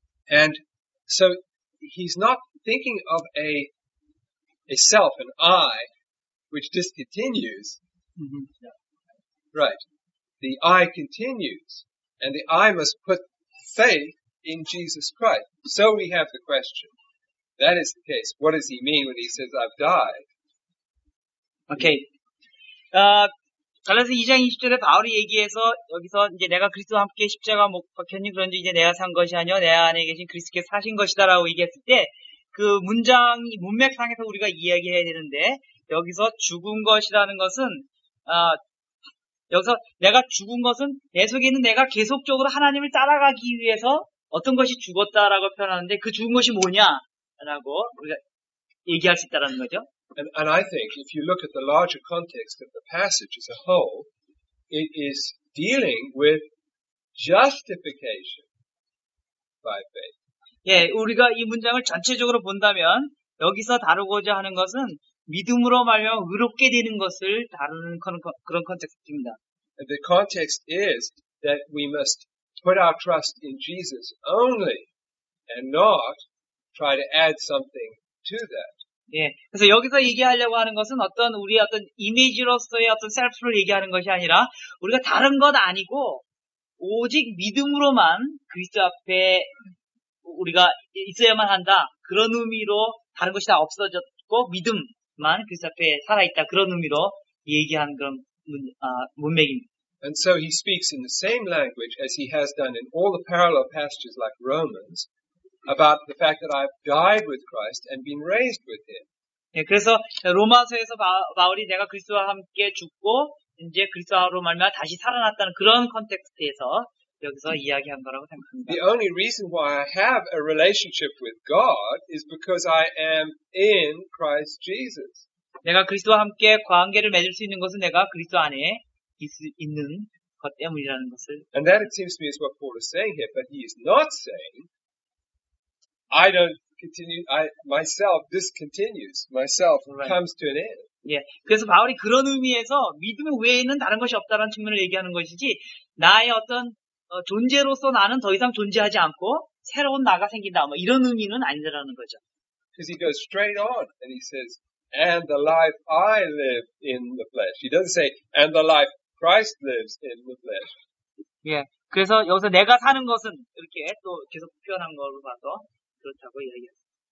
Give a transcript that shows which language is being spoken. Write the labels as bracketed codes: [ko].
[en] And so he's not thinking of a self, an I, which discontinues. Mm-hmm. Right. The I continues. And the I must put faith in Jesus Christ. So we have the question. That is the case. What does he mean when he says, I've died? Okay. [ko] 갈라디아서 2장 20절에 바울이 얘기해서 여기서 이제 내가 그리스도와 함께 십자가 못 박혔니 그런지 이제 내가 산 것이 아니오 내 안에 계신 그리스도께 사신 것이다라고 얘기했을 때 그 문장이 문맥상에서 우리가 이야기해야 되는데 여기서 죽은 것이라는 것은 여기서 내가 죽은 것은 내 속에 있는 내가 계속적으로 하나님을 따라가기 위해서 어떤 것이 죽었다라고 표현하는데 그 죽은 것이 뭐냐라고 우리가 얘기할 수 있다라는 거죠. [en] And I think if you look at the larger context of the passage as a whole, it is dealing with justification by faith. [ko] 예, 우리가 이 문장을 전체적으로 본다면 여기서 다루고자 하는 것은 믿음으로 말미암아 의롭게 되는 것을 다루는 그런 컨텍스트입니다. [en] And the context is that we must put our trust in Jesus only and not try to add something to that. [ko] 예. 그래서 여기서 얘기하려고 하는 것은 어떤 우리의 어떤 이미지로서의 어떤 셀프를 얘기하는 것이 아니라 우리가 다른 것 아니고 오직 믿음으로만 그리스도 앞에 우리가 있어야만 한다. 그런 의미로 다른 것이 다 없어졌고 믿음만 그리스도 앞에 살아있다. 그런 의미로 얘기한 그런 문맥입니다. [en] And so he speaks in the same language as he has done in all the parallel passages like Romans. About the fact that I've died with Christ and been raised with Him. [ko] 예, 그래서 로마서에서 바울이 내가 그리스도와 함께 죽고 이제 그리스도로 말미암아 다시 살아났다는 그런 컨텍스트에서 여기서 이야기한 거라고 생각합니다. [en] The only reason why I have a relationship with God is because I am in Christ Jesus. [ko] 내가 그리스도와 함께 관계를 맺을 수 있는 것은 내가 그리스도 안에 있는 것 때문이라는 것을. [en] And that it seems to me is what Paul is saying here, but he is not saying I don't continue, I myself discontinues, myself comes to an end. [ko] 예, 그래서 바울이 그런 의미에서 믿음 외에는 다른 것이 없다라는 측면을 얘기하는 것이지 나의 어떤 존재로서 나는 더 이상 존재하지 않고 새로운 나가 생긴다 뭐 이런 의미는 아니라는 거죠. [en] Because he goes straight on and he says, and the life I live in the flesh. He doesn't say, and the life Christ lives in the flesh. [ko] 예, 그래서 여기서 내가 사는 것은 이렇게 또 계속 표현한 걸로 봐서 그렇다고 이야기합니다.